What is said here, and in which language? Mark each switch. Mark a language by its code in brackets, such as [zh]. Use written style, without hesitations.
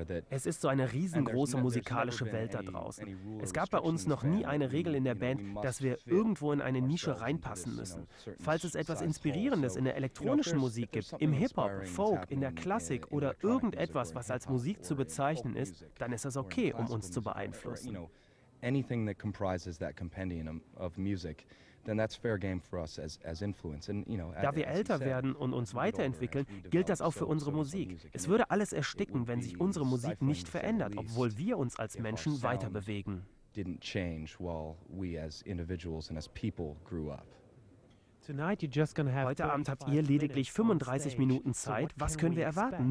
[de] Es ist so eine riesengroße musikalische Welt da draußen. Es gab bei uns noch nie eine Regel in der Band, dass wir irgendwo in eine Nische reinpassen müssen. Falls es etwas Inspirierendes in der elektronischen Musik gibt, im Hip-Hop, Folk, in der Klassik oder irgendetwas, was als Musik zu bezeichnen ist, dann ist das okay, um uns zu beeinflussen. [en] Anything that comprises that compendium of music, then that's fair game for us as influence. And [de] da wir älter werden und uns weiterentwickeln, gilt das auch für unsere Musik. Es würde alles ersticken, wenn sich unsere Musik nicht verändert, obwohl wir uns als Menschen weiter bewegen. [en] Didn't change while we as individuals and as people grew up. [de] Heute Abend habt ihr lediglich 35 Minuten Zeit. Was können wir erwarten?